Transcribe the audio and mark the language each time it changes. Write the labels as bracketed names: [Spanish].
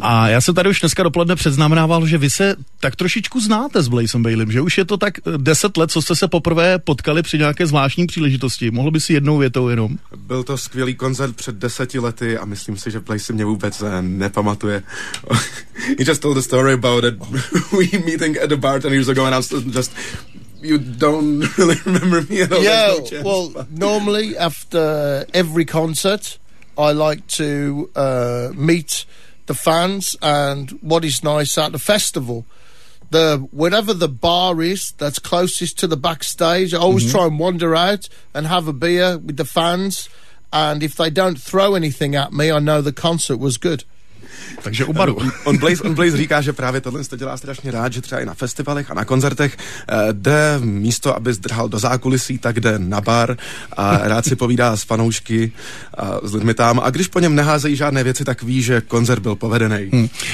[Czech] A já jsem tady už dneska dopoledne předznamenával, že vy se tak trošičku znáte s Blaisem Baileym, že už je to tak 10 let, co jste se poprvé potkali při nějaké zvláštní příležitosti. Mohl by si jednou větou jenom? Byl to skvělý koncert před 10 lety a myslím si, že Blaise mě vůbec nepamatuje. [English] He just told a story about it. We meeting at the bar 10 years ago and I was just... You don't really remember me at all. Yeah, no chance, well, but... normally after every concert I like to meet... the fans, and what is nice at the festival, the whatever the bar is that's closest to the backstage, I always try and wander out and have a beer with the fans, and if they don't throw anything at me, I know the concert was good. [Czech] Takže u baru. On Blaise říká, že právě tohle to dělá strašně rád, že třeba i na festivalech a na koncertech jde místo, aby zdrhal do zákulisí, tak jde na bar a rád si povídá s fanoušky a s lidmi tam. A když po něm neházejí žádné věci, tak ví, že koncert byl povedený.